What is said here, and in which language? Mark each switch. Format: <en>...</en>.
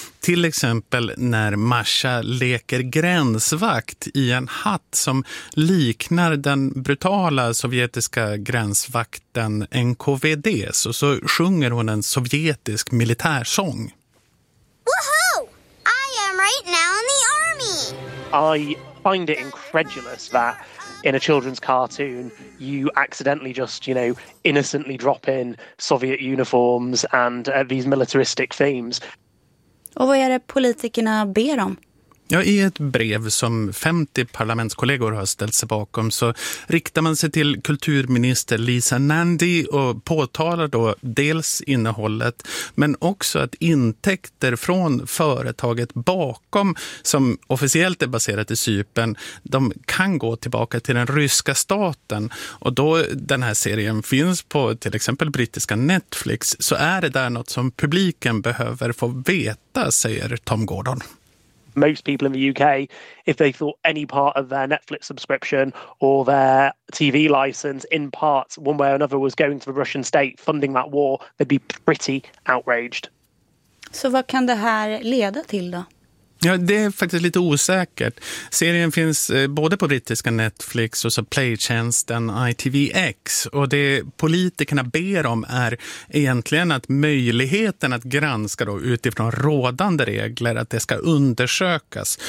<sv>Till exempel när Masha leker gränsvakt i en hatt som liknar den brutala sovjetiska gränsvakten NKVD. Så sjunger hon en sovjetisk militärsång.</sv> <en>Woohoo! I am right now in the army! I find it incredulous that in a children's cartoon you accidentally just, you know, innocently drop in Soviet uniforms and these militaristic themes.</en> <sv>Och vad är det politikerna ber om? Ja, i ett brev som 50 parlamentskollegor har ställt sig bakom så riktar man sig till kulturminister Lisa Nandy och påtalar då dels innehållet men också att intäkter från företaget bakom som officiellt är baserat i Cypern, de kan gå tillbaka till den ryska staten. Och då den här serien finns på till exempel brittiska Netflix så är det där något som publiken behöver få veta, säger Tom Gordon.</sv> <en>Most people in the UK, if they thought any part of their Netflix subscription or their TV license in part one way or another was going to the Russian state funding that war, they'd be pretty outraged.</en> <sv>Så vad kan det här leda till då? Ja, det är faktiskt lite osäkert. Serien finns både på brittiska Netflix och så Play-tjänsten ITVX. Och det politikerna ber om är egentligen att möjligheten att granska då utifrån rådande regler, att det ska undersökas.</sv>